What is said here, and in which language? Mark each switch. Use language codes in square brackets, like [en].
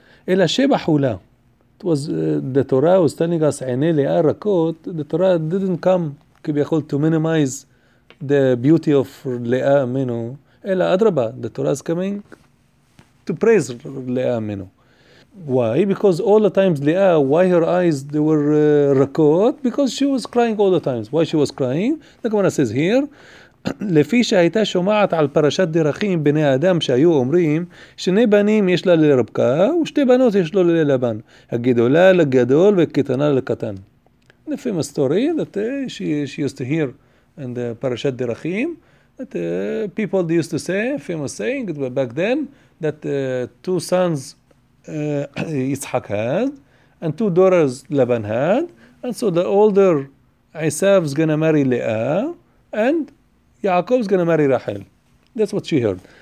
[en] It was the Torah was telling us the Torah didn't come to minimize the beauty of Leah Aminu. The Torah is coming to praise Leah Aminu. Why? Because all the times Leah, why her eyes, they were rakot? Because she was crying all the times. Why she was crying? The Gemara says here, [he] לפי שהייתה שומעת על פרשת דרכים בני האדם שהיו אומרים, שני בנים יש לה לרבקה ושתי בנות יש לו ללבן, הגדולה לגדול וקטנה לקטן. [en] The famous story that she used to hear in the פרשת דרכים, that people used to say, famous saying back then, that two sons Yitzhak had, and two daughters Laban had, and so the older Esav is going to marry Leah, and Yaakov is going to marry Rachel. That's what she heard.